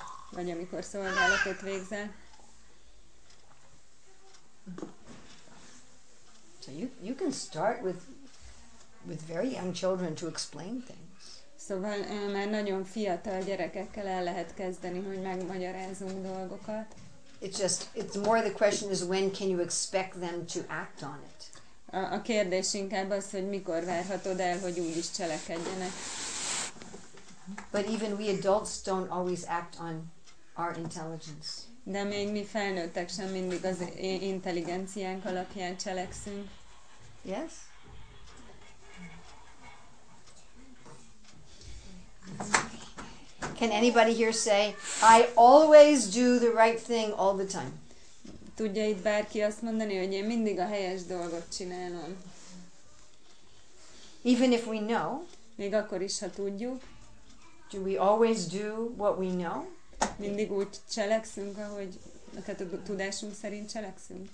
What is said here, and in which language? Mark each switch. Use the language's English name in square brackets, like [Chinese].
[Hungarian] Vagy amikor szolgálatot végzel. [English] So you can start with very young children to explain things. [Hungarian] Szóval már nagyon fiatal gyerekekkel el lehet kezdeni, hogy megmagyarázunk dolgokat. [English] It's more the question is when can you expect them to act on it. [Hungarian] A kérdés inkább az, hogy mikor várhatod el, hogy úgy is cselekedjenek. [English] But even we adults don't always act on our intelligence. [Hungarian] De még mi felnőttek sem mindig az intelligenciánk alapján cselekszünk. [English] Yes? Can anybody here say, I always do the right thing all the time? [Hungarian] Tudja itt bárki azt mondani, hogy én mindig a helyes dolgot csinálom. [English] Even if we know, [Hungarian] még akkor is, ha tudjuk, [English] do we always do what we know? [Hungarian] Mindig úgy cselekszünk, ahogy tehát a tudásunk szerint cselekszünk.